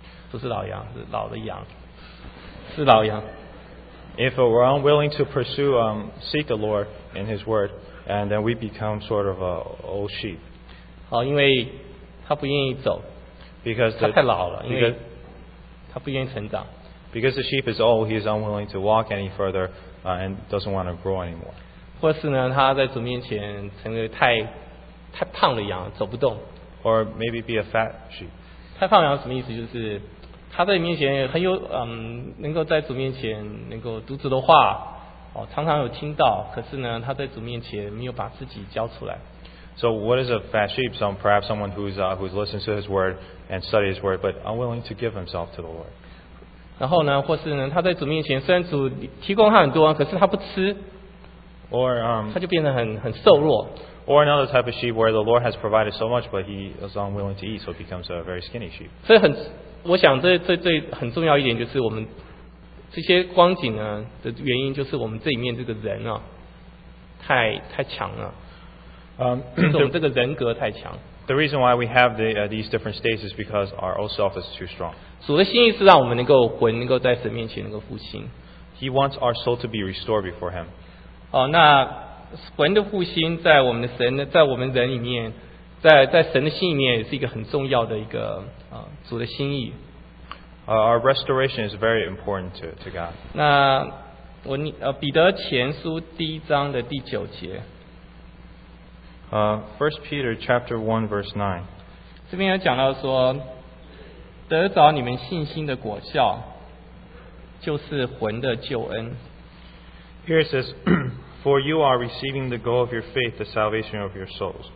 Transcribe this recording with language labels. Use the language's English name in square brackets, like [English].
[Chinese] 不是老羊，是老的羊，是老羊。 [English] If we're unwilling to pursue, seek the Lord in His Word, and then we become sort of a old sheep. [Chinese] 好，因为他不愿意走。 [English] Because [Chinese] 他太老了，因为他不愿意成长。 [English] Because the sheep is old, he is unwilling to walk any further, and doesn't want to grow anymore. [Chinese] 或是呢，他在主面前成为太胖的羊，走不动。 [English] Or maybe be a fat sheep. [Chinese] 太胖羊什么意思？就是他在面前很有能够在主面前能够读主的话常常有听到，可是呢，他在主面前没有把自己交出来。 [English] So what is a fat sheep? Perhaps someone who's listened to His word and studied His word, but unwilling to give himself to the Lord. [Chinese] 然后呢，或是呢，他在主面前虽然主提供他很多，可是他不吃。 [English] Or [Chinese] 他就变得很瘦弱。 [English] Or another type of sheep where the Lord has provided so much, but he is unwilling to eat, so it becomes a very skinny sheep. [Chinese] 所以很，我想这很重要一点就是我们这些光景呢的原因，就是我们这里面这个人啊，太强了。就是、我们这个人格太强。 [English] The reason why we have these different states is because our old self is too strong. [Chinese] 主的心意是让我们能够魂能够在神面前能够复兴。 [English] He wants our soul to be restored before Him. [Chinese] 那魂的复兴在我们的神，在我们人里面，在神的心里面也是一个很重要的一个主的心意。 [English] Our restoration is very important to God. [Chinese] 那我彼得前书第一章的第九节。 [English] First Peter chapter 1 verse 9. [Chinese] 这边有讲到说，得着你们信心的果效，就是魂的救恩。 [English] Here it says, "For you are receiving the goal of your faith, the salvation of your souls."